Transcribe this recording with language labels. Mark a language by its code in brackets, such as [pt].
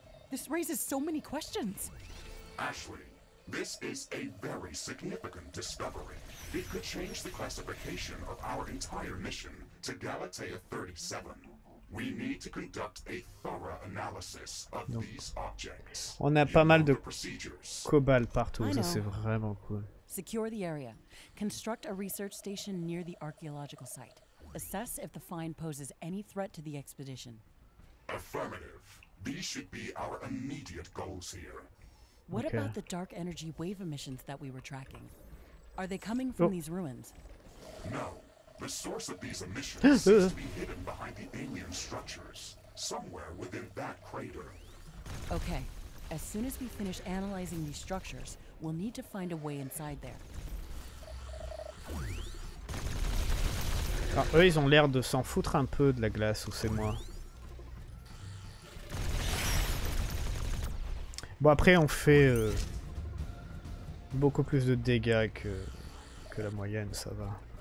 [en] This raises so many questions. Ashley, this is a very significant discovery. It could change the classification of our entire mission to Galatea 37. We need to conduct a thorough analysis of these objects. [fr] On a pas mal de cobalt partout, ça c'est vraiment cool. [en] Secure the area. Construct a research station near the archaeological site. Assess if the find poses any threat to the expedition. Affirmative. These should be our immediate goals here. What about the dark energy wave emissions that we were tracking? Are they coming from these ruins? No. The source of these emissions seems to be hidden behind the alien structures, somewhere within that crater. Okay. As soon as we finish analyzing these structures, we'll need to find a way inside there. [fr] Alors, eux, ils ont l'air de s'en foutre un peu de la glace, ou c'est moi? Bon, après, on fait beaucoup plus de dégâts que la moyenne, ça va.